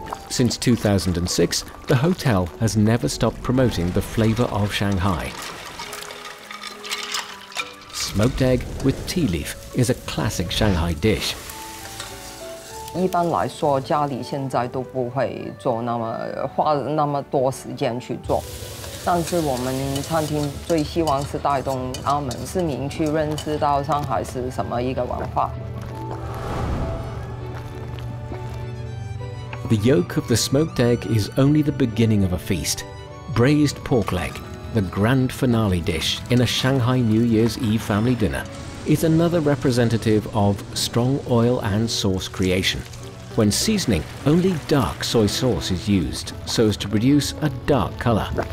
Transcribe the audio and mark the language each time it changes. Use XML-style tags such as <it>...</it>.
<en>Since 2006, the hotel has never stopped promoting the flavor of Shanghai. Smoked egg with tea leaf is a classic Shanghai dish.</en> <zh>一般来说，家里现在都不会做那么花那么多时间去做。但是我们餐厅最希望是带动澳门市民去认识到上海是什么一个文化。The</zh> <en>yolk of the smoked egg is only the beginning of a feast. Braised pork leg, the grand finale dish in a Shanghai New Year's Eve family dinner, is another representative of strong oil and sauce creation. When seasoning, only dark soy sauce is used so as to produce a dark color.</en>